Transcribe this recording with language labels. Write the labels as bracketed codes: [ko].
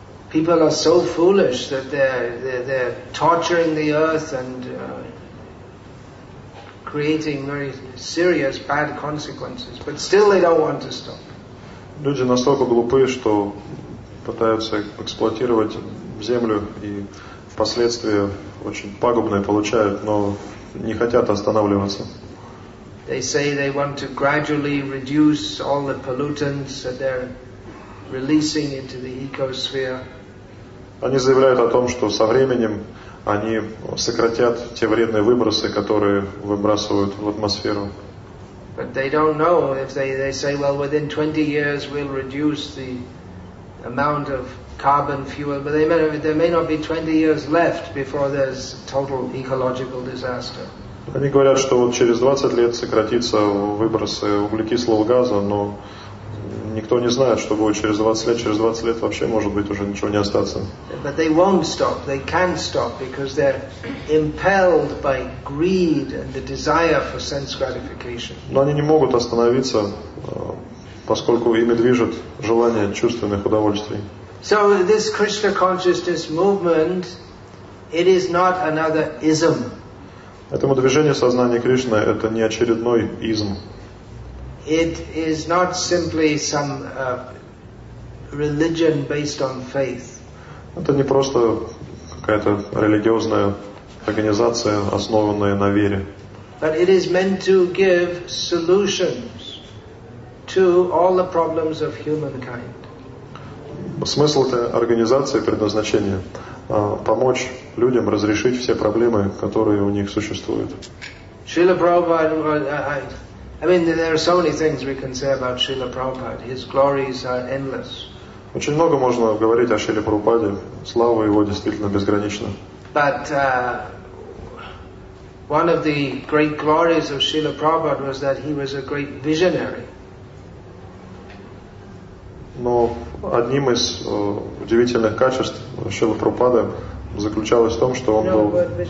[en] People are so foolish that they're torturing the earth and creating very serious bad consequences. But still, they don't want to stop. [ru] Люди настолько глупы, что пытаются эксплуатировать землю, и последствия очень пагубные получают, но не хотят останавливаться. [en] They say they want to gradually reduce all the pollutants that they're releasing into the ecosphere. [ru] Они заявляют о том, что со временем они сократят те вредные выбросы, которые выбрасывают в атмосферу. [en] But they don't know if they say, well, within 20 years we'll reduce the amount of carbon fuel, but there may not be 20 years left before there's total ecological disaster. [ru] Они говорят, что вот через 20 лет сократится выбросы углекислого газа, но никто не знает, что будет через 20 лет. Через 20 лет вообще, может быть, уже ничего не остаться. [en] But they won't stop. They can't stop because they're impelled by greed and the desire for sense gratification. [ru] Но они не могут остановиться, поскольку ими движет желание чувственных удовольствий. [en] So this Krishna consciousness movement, it is not another ism. [ru] Этому движению сознания Кришны это не очередной изм. [en] It is not simply some religion based on faith. [ru] Это не просто какая-то религиозная организация, основанная на вере. [en] But it is meant to give solutions to all the problems of humankind. [ru] Смысл этой организации, предназначение помочь людям разрешить все проблемы, которые у них существуют. [en] Srila Prabhupada, there are so many things we can say about Srila Prabhupada. His glories are endless. [ru] Очень много можно говорить о Шриле Прабхупаде. Слава его действительно безгранична. [en] But one of the great glories of Srila Prabhupada was that he was a great visionary. [ru] Но одним из удивительных качеств Шрилы Прабхупады заключалось в том, что он был